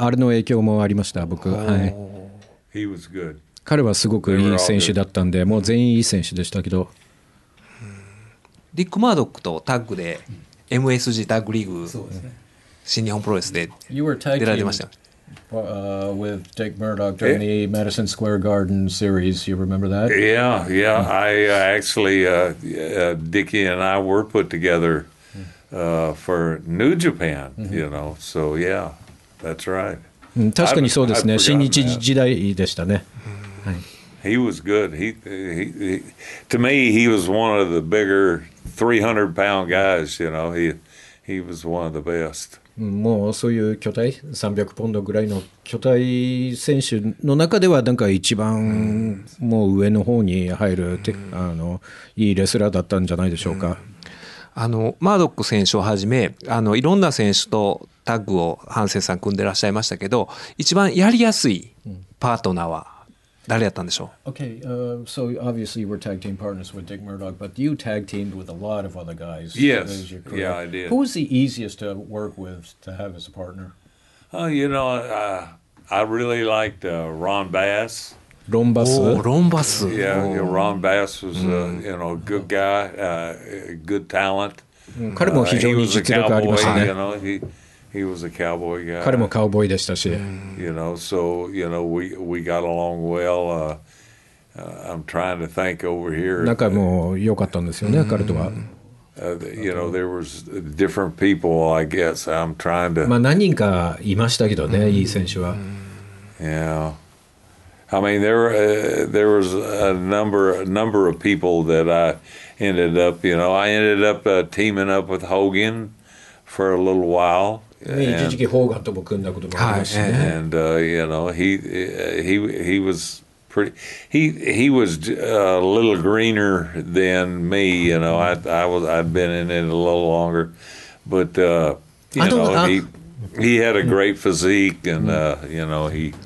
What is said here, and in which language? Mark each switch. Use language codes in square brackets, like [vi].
[ja] あれの影響もありました、僕。はい。 [en] He was good. [ja] 彼はすごくいい選手だったんで、もう全員いい選手でしたけど。ディック・マードックとタッグで MSG タッグリーグ、そうですね、新日本プロレスで出られてました。 [en] With Dick Murdoch during the Madison Square Garden series, you remember that? Yeah, yeah. I actually, Dickie and I were put together for New Japan, you know. So yeah, that's right. [ja] 確かにそうですね。新日時代でしたね。 [en] He was good. He to me, he was one of the bigger 300-pound guys. You know, he was one of the best. [ja] もうそういう巨体300ポンドぐらいの巨体選手の中ではなんか一番もう上の方に入るって、うん、あのいいレスラーだったんじゃないでしょうか、うん、あのマードック選手をはじめあのいろんな選手とタッグをハンセンさん組んでらっしゃいましたけど一番やりやすいパートナーは誰やったんでしょう、うん、 [en] Okay, so obviously you were tag team partners with Dick Murdoch, but you tag teamed with a lot of other guys. Yes, yeah, I did. Who was the easiest to work with to have as a partner? You know, I really liked Ron Bass. Ron Bass? Oh, Ron Bass. Yeah, yeah, Ron Bass was a you know, good guy, good talent. [ja] 彼も非常に実力ありましたね。 [en] He was a cowboy, you know, he was a cowboy guy. [ja] 彼もカウボーイでしたし。 [en] You know, so, you know, we got along well. I'm trying to think over here. [ja] 仲も良かったんですよね、彼とは。 [en] You know, there was different people, I guess. I'm trying to... [ja] まあ何人かいましたけどね、いい選手は。 [en] Yeah. I mean, there was a number of people that I ended up, you know, I ended up teaming up with Hogan for a little while. [ja] 一時期ホーガンとも組んだこともありますしね。 [en] And you know he was pretty he was a little greener than me. You know I'd been in it a little longer, but he had a great physique and you know he